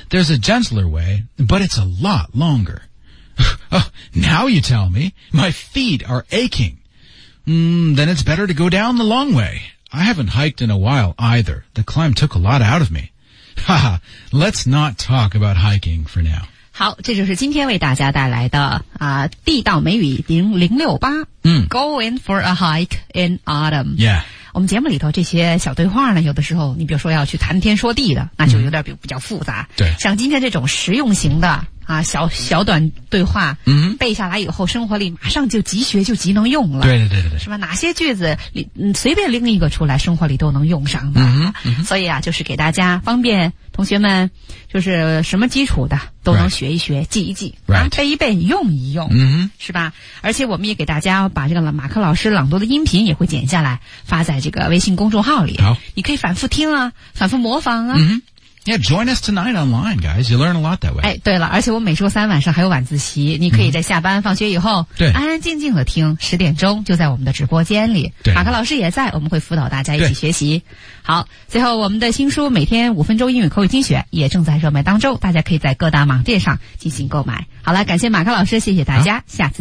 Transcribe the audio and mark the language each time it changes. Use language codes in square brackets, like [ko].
[en] There's a gentler way, but it's a lot longer. Oh, now you tell me. My feet are aching. Then it's better to go down the long way. I haven't hiked in a while either. The climb took a lot out of me. 哈哈 ,let's not talk about hiking for now. [zh] 好，这就是今天为大家带来的啊地道美语0068。嗯 [en] ,going for a hike in autumn. Yeah. [zh] 我们节目里头这些小对话呢，有的时候你比如说要去谈天说地的，那就有点比较复杂。对。像今天这种实用型的啊小短对话，嗯，背下来以后生活里马上就即学就即能用了。对对对对。是吧，哪些句子随便拎一个出来生活里都能用上的。嗯。所以啊就是给大家方便同学们就是什么基础的都能学一学、 [en] right. [zh] 记一记、 [en] right. [zh] 啊、背一背用一用、 mm-hmm. 是吧，而且我们也给大家把这个马克老师朗读的音频也会剪下来发在这个微信公众号里，好，你可以反复听啊反复模仿啊、 mm-hmm. [en] Yeah, join us tonight online guys, you learn a lot that way、 [zh] 哎、对了，而且我每周三晚上还有晚自习，你可以在下班放学以后、 mm-hmm. 安安静静的听，十点钟就在我们的直播间里，对，马克老师也在，我们会辅导大家一起学习。好，最后我们的新书每天五分钟英语口语精选也正在热卖当中，大家可以在各大网店上进行购买。好了，感谢马克老师，谢谢大家，下次见。